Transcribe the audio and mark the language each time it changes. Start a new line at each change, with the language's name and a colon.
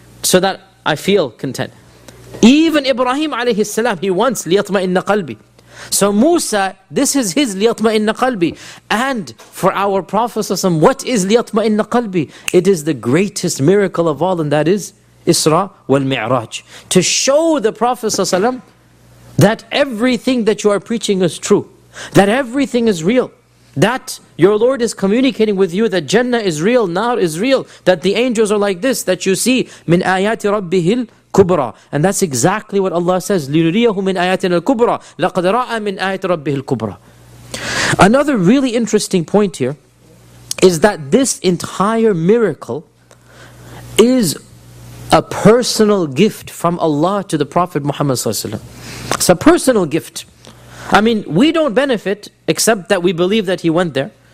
English: So that I feel content. Even Ibrahim alayhi salam, he wants
Arabic: لِيَطْمَئِنَّ قَلْبِ
English: So Musa, this is his
Arabic: لِيَطْمَئِنَّ قَلْبِ
English: And for our Prophet, what is
Arabic: لِيَطْمَئِنَّ قَلْبِ
English: It is the greatest miracle of all, and that is Isra wal-Mi'raj. To show the Prophet that everything that you are preaching is true. That everything is real. That your Lord is communicating with you that Jannah is real, Nar is real. That the angels are like this, that you see.
Arabic: مِنْ آيَاتِ رَبِّهِ kubra.
English: And that's exactly what Allah says,
Arabic: لِنُرِيَهُ مِنْ آيَاتِنَا الْكُبْرَى لَقَدْ رَأَى مِنْ آيَاتِ رَبِّهِ الْكُبْرَى.
English: Another really interesting point here is that this entire miracle is a personal gift from Allah to the Prophet Muhammad ﷺ. It's a personal gift. I mean, we don't benefit except that we believe that he went there.